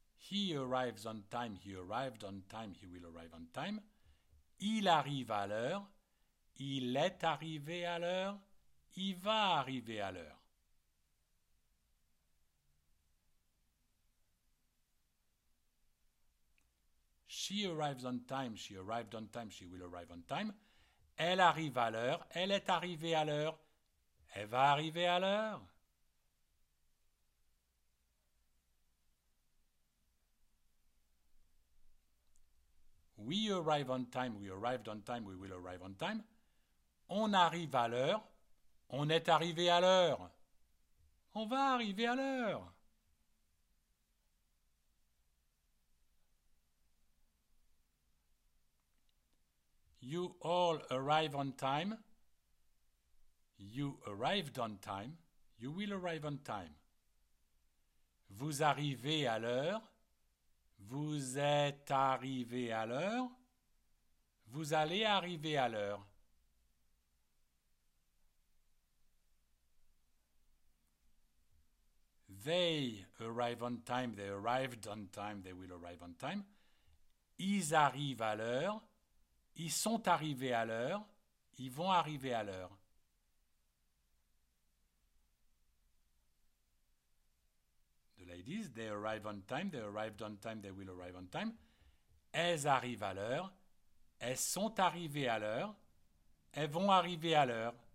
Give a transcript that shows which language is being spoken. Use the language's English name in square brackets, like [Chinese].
[English] He arrives on time, he arrived on time, he will arrive on time. [French] Il arrive à l'heure, il est arrivé à l'heure, il va arriver à l'heure. [English] She arrives on time, she arrived on time, she will arrive on time. [French] Elle arrive à l'heure, elle est arrivée à l'heure, elle va arriver à l'heure. [English] We arrive on time, we arrived on time, we will arrive on time. [French] On arrive à l'heure, on est arrivé à l'heure. On va arriver à l'heure. [English] You all arrive on time. You arrived on time, you will arrive on time. [French] Vous arrivez à l'heure. Vous êtes arrivé à l'heure. Vous allez arriver à l'heure. [English] They arrive on time. They arrived on time. They will arrive on time. [French] Ils arrivent à l'heure. Ils sont arrivés à l'heure. Ils vont arriver à l'heure. [English] Ladies, they arrive on time, they arrived on time, they will arrive on time. [French] Elles arrivent à l'heure, elles sont arrivées à l'heure, elles vont arriver à l'heure.